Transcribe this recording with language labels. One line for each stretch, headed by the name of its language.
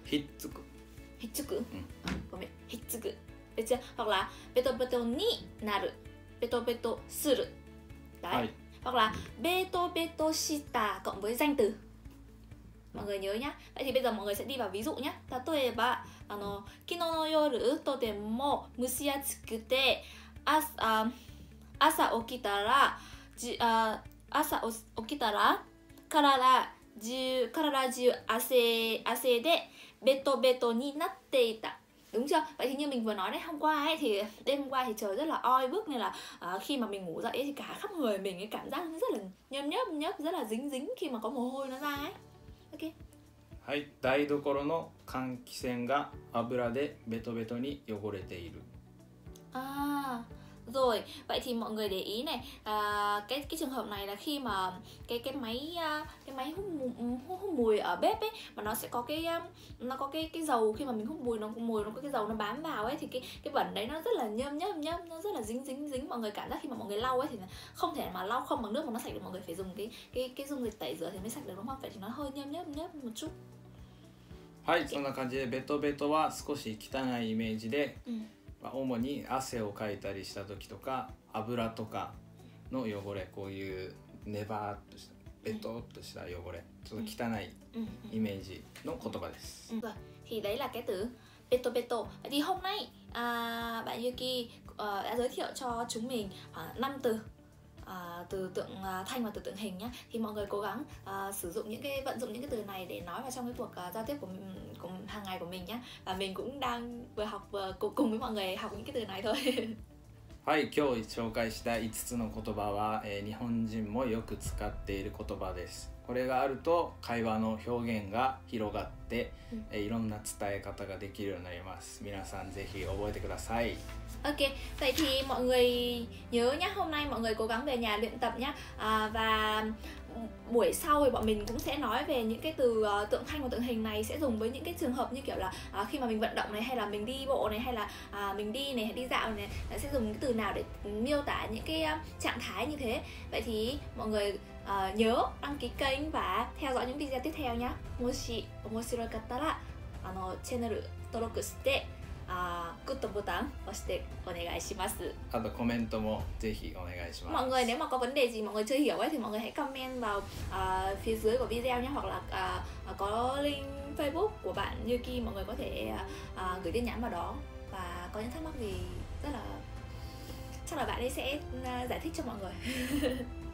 Japanese: hitsuku hitsuku hitsuku
Vietnamese: hoặc là
Japanese: beto beto ni naru beto beto suru.
Vietnamese: Đấy, hoặc là
Japanese: beto beto shita
Vietnamese: cộng với danh từ. Mọi người nhớ nhá. Vậy thì bây giờ mọi người sẽ đi vào ví dụ nhá.
Japanese: 例えば、あの、昨日の夜とても蒸し暑くて、朝起きたら体中汗でベトベトになっていた。
Vietnamese: Đúng chưa? Vậy thì như mình vừa nói đấy, hôm qua ấy thì đêm qua thì trời rất là oi bức, nên là khi mà mình ngủ dậy thì cả khắp người mình cái cảm giác nó rất là nhơm nhớp nhớp, rất là dính dính khi mà có mồ hôi nó ra ấy. Ok.
Japanese: はい、台所の換気扇が油でベトベトに汚れている。
Vietnamese: À, rồi, vậy thì mọi người để ý này, cái trường hợp này là khi mà cái máy hút mùi ở bếp ấy, mà nó sẽ có cái dầu, khi mà mình hút mùi nó có cái dầu nó bám vào ấy, thì cái bẩn đấy nó rất là nhơm nhớp, nó rất là dính, mọi người cảm giác khi mà mọi người lau ấy thì không thể mà lau không bằng nước mà nó sạch được, mọi người phải dùng cái dung dịch tẩy rửa thì mới sạch được, đúng không? Vậy thì nó hơi nhơm nhớp một chút.
Japanese: はい、そんな感じでベトベトは少し汚いイメージで、まあ、主に汗をかいたりした時とか油とかの汚れ、こういうネバーっとしたベトっとした汚れ、ちょっと汚いイメージの言葉です。
Vietnamese: thì đấy là cái từ ベトベト。 thì hôm nay bạn Yuki đã giới thiệu cho chúng mình năm từ từ tượng thanh và từ tượng hình nhé. Thì mọi người cố gắng sử dụng những cái vận dụng những cái từ này để nói vào trong cái cuộc giao tiếp của hàng ngày của mình nhé. Và mình cũng đang vừa học vừa cùng với mọi người học những cái từ này thôi.
Japanese: はい、今日紹介した5つの言葉は、日本人もよく使っている言葉です。これがあると会話の表現が広がって、いろんな伝え方ができるようになります。皆さんぜひ覚えてください。
Vietnamese: OK, vậy thì mọi người nhớ nhé, hôm nay mọi người cố gắng về nhà luyện tập nhé. Và buổi sau thì bọn mình cũng sẽ nói về những cái từ tượng thanh và tượng hình này sẽ dùng với những cái trường hợp như kiểu là khi mà mình vận động này, hay là mình đi bộ này, hay là mình đi này, đi dạo này, sẽ dùng cái từ nào để miêu tả những cái trạng thái như thế. Vậy thì mọi người nhớ đăng ký kênh và theo dõi những video tiếp theo nhé.
Japanese: もし面白かったらあのチャンネル登録してグッドボタン押してお願いします。あとコメントもぜひお願いします。
Vietnamese: mọi người nếu mà có vấn đề gì mọi người chưa hiểu ấy thì mọi người hãy comment vào phía dưới của video nhé, hoặc là có link Facebook của bạn Yuki, mọi người có thể gửi tin nhắn vào đó, và có những thắc mắc gì rất là chắc là bạn ấy sẽ giải thích cho mọi người.